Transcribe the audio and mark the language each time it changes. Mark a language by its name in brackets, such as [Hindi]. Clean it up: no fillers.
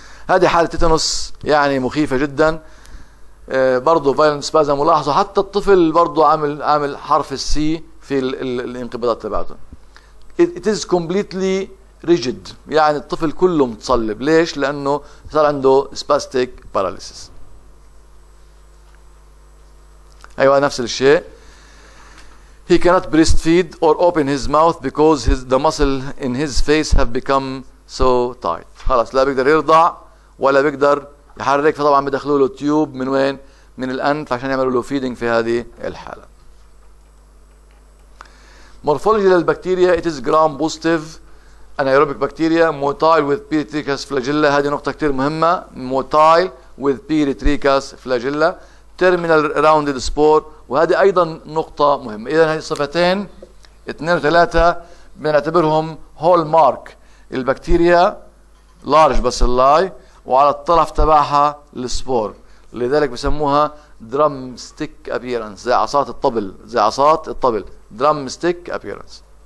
[Arabic] هذه حالة تيتانوس يعني مخيفة جدا. برضو فايلنت سبازم، ملاحظة حتى الطفل برضو عامل حرف السي في الانقباضات تبعته. [English] It is completely rigid، [Arabic] يعني الطفل كله متصلب. ليش؟ لأنه صار عنده spastic paralysis. أيوة نفس الشيء. [English] He cannot breastfeed or open his mouth because the muscle in his face have become so tight. [Arabic] خلاص لا بيقدر يرضع ولا بيقدر يحرك، فطبعا بيدخلوا له تيوب من وين؟ من الأنف عشان يعملوا له فيدينج في هذه الحالة. مورفولوجي للبكتيريا، [English] it is gram positive anaerobic bacteria motile with pyretricus flagella. [Arabic] هذه نقطة كتير مهمة، [English] motile with pyretricus flagella. Terminal rounded spore، [Arabic] وهذه أيضا نقطة مهمة. إذا هذه الصفتين 2 و 3 بنعتبرهم hallmark. البكتيريا large bacilli وعلى الطرف تبعها السبور، لذلك بسموها drumstick appearance، زي عصات الطبل drumstick appearance.